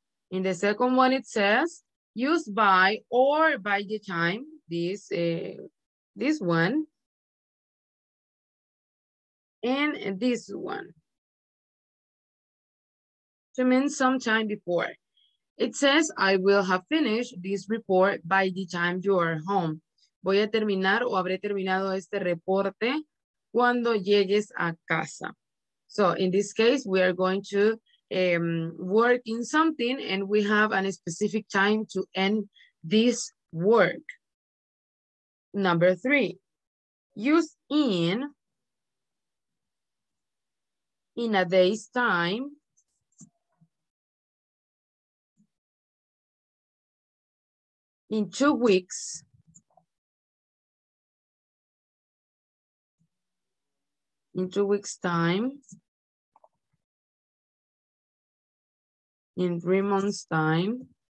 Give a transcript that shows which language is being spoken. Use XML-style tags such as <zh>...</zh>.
<en>In the second one, it says use by or by the time this. This one and this one to mean sometime before. It says, I will have finished this report by the time you are home.</en> <es>Voy a terminar o habré terminado este reporte cuando llegues a casa.</es> <en>So in this case, we are going to work in something and we have a specific time to end this work. Number three, use in a day's time in 2 weeks time in 3 months time.</en>